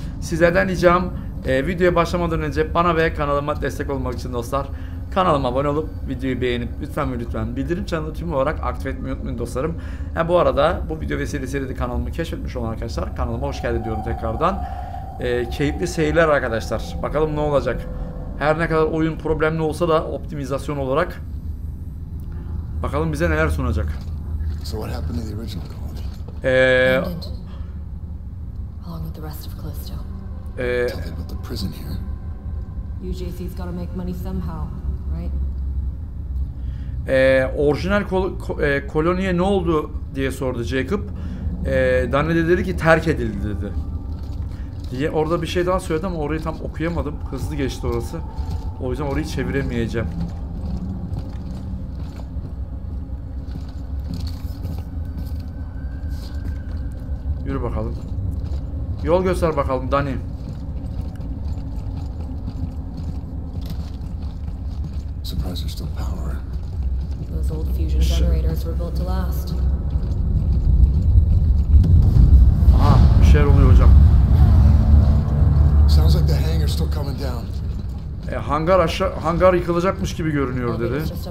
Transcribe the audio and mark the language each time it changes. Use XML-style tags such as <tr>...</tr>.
<tr>Sizlerden ricam, videoya başlamadan önce bana ve kanalıma destek olmak için dostlar, kanalıma abone olup videoyu beğenip lütfen ve lütfen bildirim çanını tüm olarak aktif etmeyi unutmayın dostlarım. Yani bu arada bu video vesilesiyle de kanalımı keşfetmiş olan arkadaşlar, kanalıma hoş geldin diyorum tekrardan. Keyifli seyirler arkadaşlar. Bakalım ne olacak. Her ne kadar oyun problemli olsa da optimizasyon olarak bakalım bize neler sunacak.</tr> <en>So what happened to the original colony? Along with the rest of Callisto. Tell me about the prison here. UJC's got to make money somehow, right?</en> <tr>Orijinal koloniye ne oldu diye sordu Jacob. Dani de dedi ki terk edildi dedi. Diye orada bir şey daha söyledi ama orayı tam okuyamadım. Hızlı geçti orası. O yüzden orayı çeviremeyeceğim. Yürü bakalım. Yol göster bakalım Dani.</tr> <en>Suppressor still power. Those old fusion generators were built to last.</en> <tr>Aha, bir şeyler oluyor hocam.</tr> <en>Sounds like the hangar still coming down.</en> <tr>Hangar aşağı, hangar yıkılacakmış gibi görünüyor dedi.</tr>